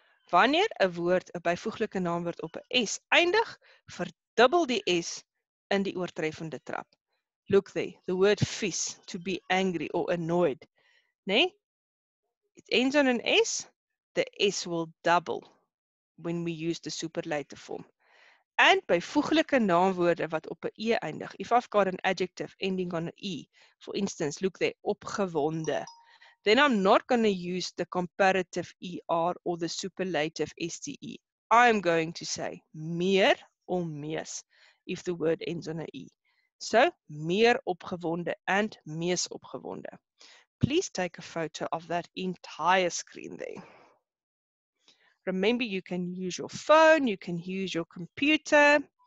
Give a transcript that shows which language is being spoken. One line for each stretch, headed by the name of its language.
Afrikaans: Wanneer 'n woord, 'n byvoeglike naamwoord op 'n S eindig, verdubbel die S in die oortreffende trap.
English: Look there, the word vies, to be angry or annoyed. Nee, it ends on an S, the S will double when we use the superlative form. And
Afrikaans: byvoeglike naamwoorde wat op 'n E eindig,
English: if I've got an adjective ending on an E, for instance, look there, opgewonde, then I'm not going to use the comparative ER or the superlative STE. I'm going to say meer or mees, if the word ends on an E. So, meer opgewonde and mees opgewonde. Please take a photo of that entire screen there. Remember, you can use your phone, you can use your computer.